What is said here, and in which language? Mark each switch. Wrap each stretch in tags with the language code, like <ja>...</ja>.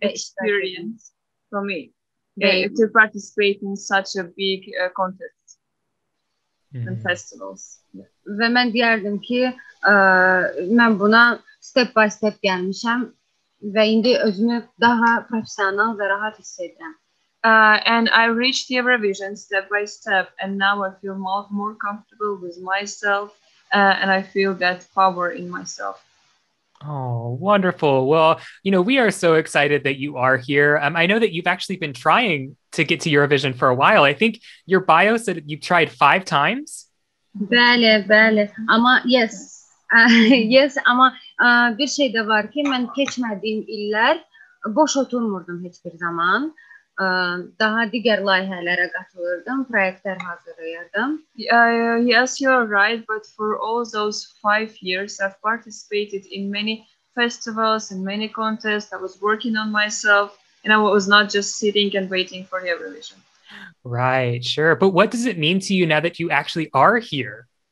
<en>experience for me to participate in such a big contest and festivals.</en> <az>Və mən deyərdim ki, mən buna step by step gəlmişəm və indi özümü daha professional və rahat hiss edirəm.</az> <en>And I reached the Eurovision step by step, and now I feel more comfortable with myself, and I feel that power in myself. Oh, wonderful. Well, you know, we are so excited that you are here. I know that you've actually been trying to get to Eurovision for a while. I think your bio said you've tried 5 times.</en> <az>Bale, bale. Ama yes. Yes, ama bir şey de var ki, ben geçmediğim iller boş oturmurdum hiçbir zaman. Daha digər layihələrə qatılırdım, proyektlər hazırlayırdım.</az> <en>Yes, you are right, but for all those 5 years, I've participated in many festivals and many contests. I was working on myself, and I was not just sitting and waiting for Eurovision. Right, sure. But what does it mean to you now that you actually are here?</en>